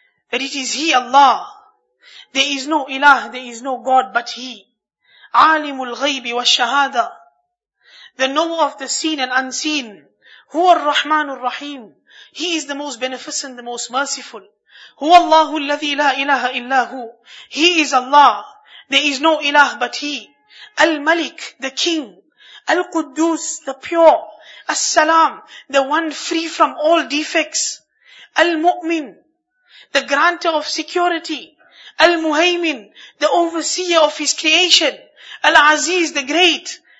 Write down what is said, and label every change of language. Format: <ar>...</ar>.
<en>That it is He, Allah. There is no ilah, there is no God but He.</en> <ar>عالم الغيب والشهادة.</ar> <en>The knower of the seen and unseen.</en> <ar>هو الرحمن الرحيم.</ar> <en>He is the most beneficent, the most merciful.</en> <ar>هو الله الذي لا إله إلا هو.</ar> <en>He is Allah. There is no ilah but He. الملك, the King. Al-Quddus, the pure. As-Salam, the one free from all defects. Al-Mu'min, the granter of security. Al-Muhaymin, the overseer of his creation. Al-Aziz, the great.</en>